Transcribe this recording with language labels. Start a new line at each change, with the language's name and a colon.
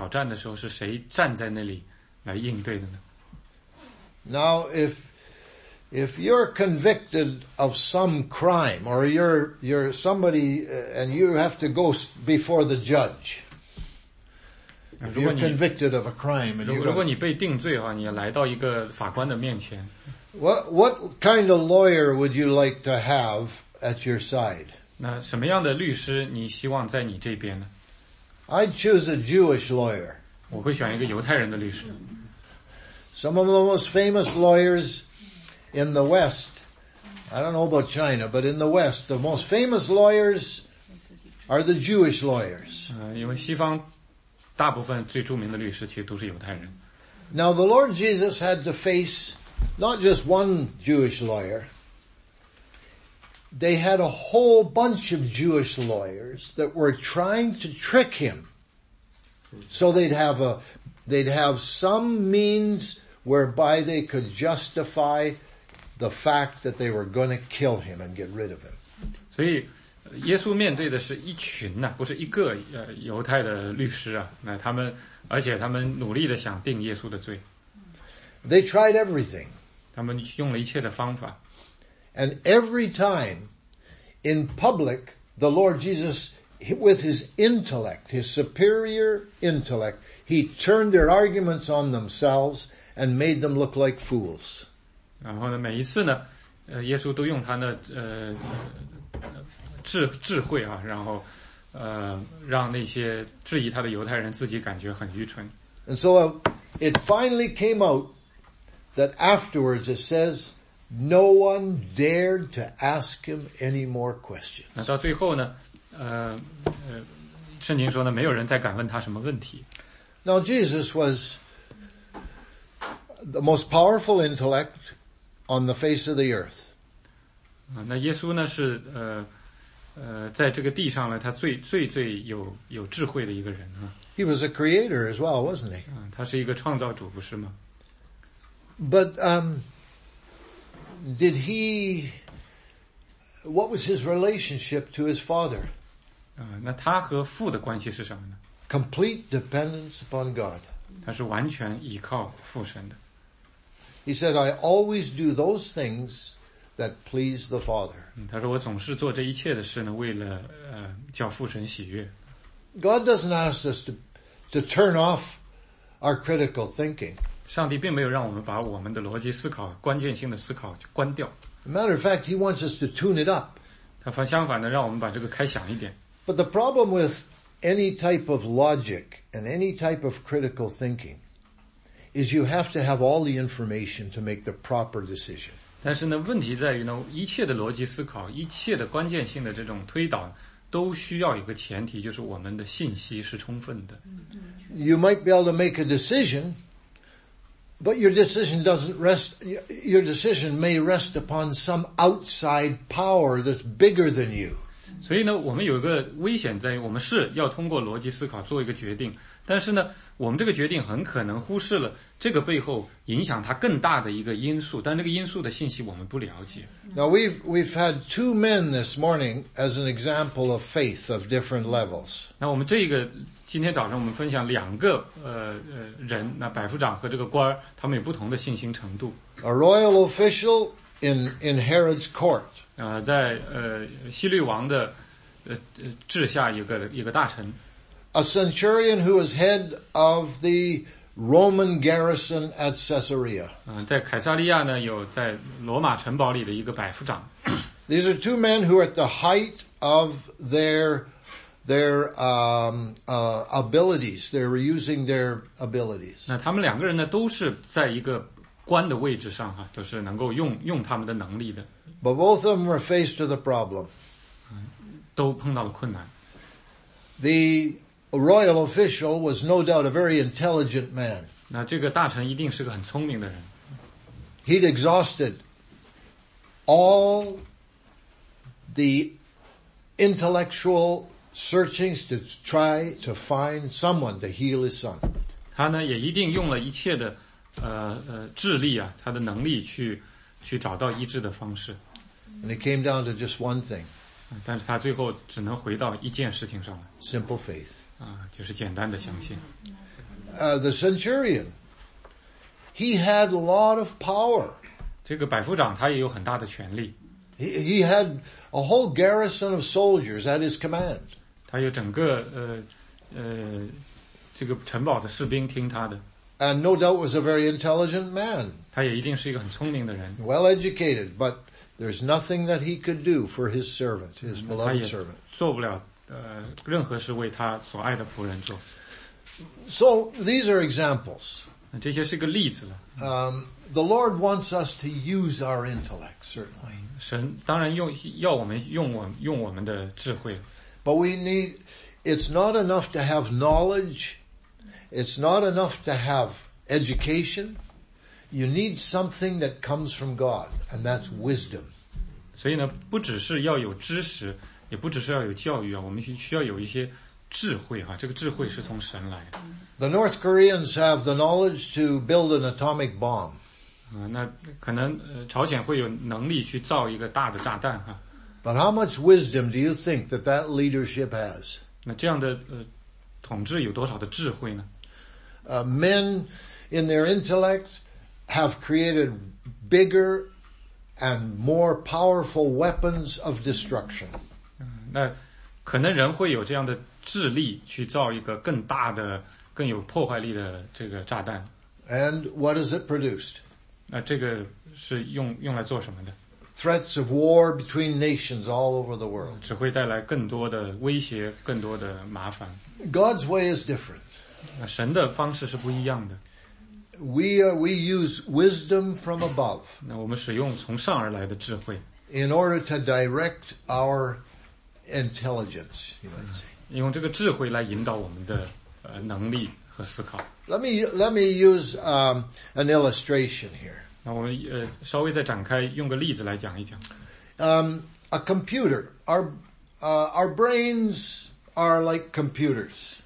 Chinese: 所以当耶稣他来面对所有的犹太人或者希腊人的这个挑战的时候，是谁站在那里来应对的呢？
English: Now, if you're convicted of some crime, or you're somebody, and you have to go before the judge, if you're convicted of a crime, and you're
Chinese: 如果你被定罪的话，你来到一个法官的面前，
English: what kind of lawyer would you like to have at your side?
Chinese: 那什么样的律师你希望在你这边呢？
English: I'd choose a Jewish lawyer.
Chinese: 我会选一个犹太人的律师。
English: Some of the most famous lawyers in the West, I don't know about China, but in the West, the most famous lawyers are the Jewish lawyers.
Chinese: 因为西方大部分最著名的律师其实都是犹太人。
English: Now the Lord Jesus had to face not just one Jewish lawyer. They had a whole bunch of Jewish lawyers that were trying to trick him. So they'd have some means whereby they could justify the fact that they were going to kill him and get rid of him.
Chinese: 所以, 耶稣面对的是一群呢、啊、不是一个犹太的律师啊，那他们而且他们努力的想定耶稣的罪。
English: They tried everything.
Chinese: 他们用了一切的方法。
English: And every time in public, the Lord Jesus, with his intellect, his superior intellect, he turned their arguments on themselves and made them look like fools.
Chinese: 然后呢每一次呢耶稣都用他的智慧啊，然后让那些质疑他的犹太人自己感觉很愚蠢。
English: And so it finally came out that afterwards it says no one dared to ask him any more questions.
Chinese: 那到最后呢圣经说呢没有人再敢问他什么问题。
English: Now Jesus was the most powerful intellect on the face of the earth.
Chinese: 那耶稣呢是在这个地上呢他最有智慧的一个人啊。
English: He was a creator as well, wasn't he?
Chinese: 他是一个创造主不是吗？
English: But did he? What was his relationship to his father?
Chinese: 那他和父的关系是什么呢
English: ？Complete dependence upon God.
Chinese: 他是完全依靠父神的。
English: He said, "I always do those things that please the Father."
Chinese: 他说我总是做这一切的事呢，为了叫父神喜悦。
English: God doesn't ask us to turn off our critical thinking.
Chinese: 上帝并没有让我们把我们的逻辑思考、关键性的思考就关掉。
English: Matter of fact, He wants us to tune it up.
Chinese: 他相反的，让我们把这个开响一点。
English: But the problem with any type of logic and any type of critical thinking is you have to have all the information to make the proper decision.
Chinese: 但是呢，问题在于呢，一切的逻辑思考、一切的关键性的这种推导，都需要一个前提，就是我们的信息是充分的。
English: You might be able to make a decision, but your decision may rest upon some outside power that's bigger than you.
Chinese: 所以呢，我们有一个危险在于，我们是要通过逻辑思考做一个决定，但是呢，我们这个决定很可能忽视了这个背后影响它更大的一个因素，但这个因素的信息我们不了解。
English: Now we've had two men this morning as an example of faith of different levels.
Chinese: 那我们这个今天早上我们分享两个人，那百夫长和这个官他们有不同的信心程度。
English: A royal official in Herod's court.
Chinese: 在希律王的治下一个大臣。
English: A centurion who was head of the Roman garrison at Caesarea.
Chinese: 在凯撒利亚呢，有在罗马城堡里的一个百夫长。
English: These are two men who are at the height of their abilities. They're using their abilities.
Chinese: 那他们两个人呢，都是在一个官的位置上哈，都是能够用他们的能力的。
English: But both of them were faced with a problem.
Chinese: 都碰到了困难。
English: The royal official was no doubt a very intelligent man.
Chinese: 那这个大臣一定是个很聪明的人。
English: He'd exhausted all the intellectual searchings to try to find someone to heal his son.
Chinese: 他呢也一定用了一切的智力啊，他的能力去找到医治的方式。
English: And it came down to just one thing.
Chinese: 但是他最后只能回到一件事情上来。
English: Simple faith.
Chinese: 就是简单的相信。
English: The centurion, he had a lot of power.
Chinese: 这个百夫长他也有很大的权力。
English: He had a whole garrison of soldiers at his command.
Chinese: 他有整个这个城堡的士兵听他的。
English: And no doubt was a very intelligent man.
Chinese: 他也一定是一个很聪明的人。
English: Well educated, but there's nothing that he could do for his servant, his beloved servant.
Chinese: 做不了任何是为他所爱的仆人做。
English: So these are examples.
Chinese: 这些是个例子了。
English: The Lord wants us to use our intellect, certainly.
Chinese: 神当然要我们用我们的智慧。
English: But it's not enough to have knowledge. It's not enough to have education. You need something that comes from God, and that's wisdom.
Chinese: 所以呢，不只是要有知识。也不只是要有教育啊，我们需要有一些智慧啊，这个智慧是从神来的。
English: The North Koreans have the knowledge to build an atomic bomb.
Chinese: 那可能朝鲜会有能力去造一个大的炸弹啊。
English: But how much wisdom do you think that that leadership has?
Chinese: 那这样的统治有多少的智慧呢？
English: Men in their intellect have created bigger and more powerful weapons of destruction.
Chinese: 那可能人会有这样的智力去造一个更大的更有破坏力的这个炸弹。
English: And what is it produced?
Chinese: 那这个是用来做什么的？
English: Threats of war between nations all over the world.
Chinese: 只会带来更多的威胁，更多的麻烦。
English: God's way is different.
Chinese: 神的方式是不一样的。
English: We use wisdom from above.
Chinese: 那我们使用从上而来的智慧。
English: In order to direct our intelligence, you might say.
Chinese: 用这个智慧来引导我们的能力和思考。
English: Let me use an illustration here.
Chinese: 那我们稍微再展开，用个例子来讲一讲。
English: A computer, our brains are like computers.